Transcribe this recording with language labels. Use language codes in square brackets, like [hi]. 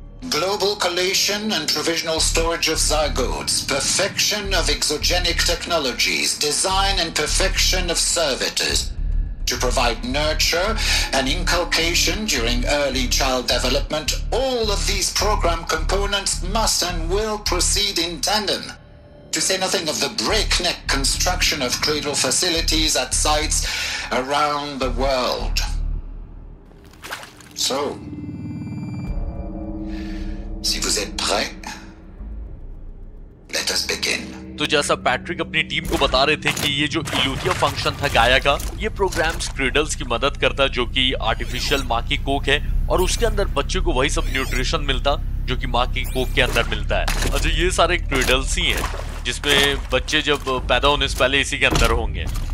[en] Global collation and provisional storage of zygotes, perfection of exogenic technologies, design and perfection of servitors to provide nurture and inculcation during early child development, all of these program components must and will proceed in tandem. To say nothing of the breakneck construction of cradle facilities at sites around the world. So, [fr] si vous êtes prêts, [en] let us begin. [hi] तो जैसा Patrick अपनी team को बता रहे थे कि ये जो इलूथिया फंक्शन था गाया का, ये प्रोग्राम्स क्रेडल्स की मदद करता जो कि आर्टिफिशियल माँ की कोक है, और उसके अंदर बच्चे को वही सब न्यूट्रिशन मिलता जो कि माँ की कोक के अंदर मिलता है। अच्छा, ये सारे क्रेडल्स ही हैं जिसमें बच्चे जब पैदा होने से पहले इसी के अंदर होंगे।